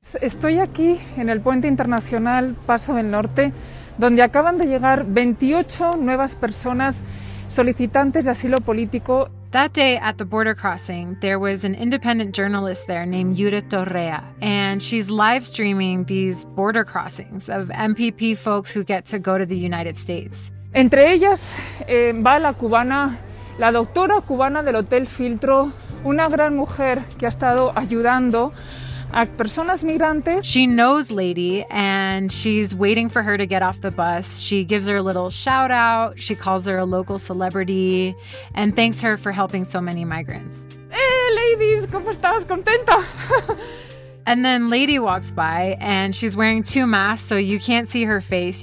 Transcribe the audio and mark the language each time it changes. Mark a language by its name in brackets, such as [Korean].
[Spanish] Estoy aquí en el Puente Internacional Paso del Norte, donde acaban de llegar 28 nuevas personas solicitantes de asilo político. [English] That day at the border crossing, there was an independent journalist there named Judith Torrea, and she's live streaming these border crossings of MPP folks who get to go to the United States. [Spanish] Entre ellas va la cubana, la doctora cubana del Hotel Filtro, una gran mujer que ha estado ayudando a personas migrantes. [English] She knows Lady, and she's waiting for her to get off the bus. She gives her a little shout out. She calls her a local celebrity and thanks her for helping so many migrants. [Spanish] Hey, ladies, ¿cómo estás? ¿Contenta? [English] And then Lady walks by, and she's wearing two masks, so you can't see her face.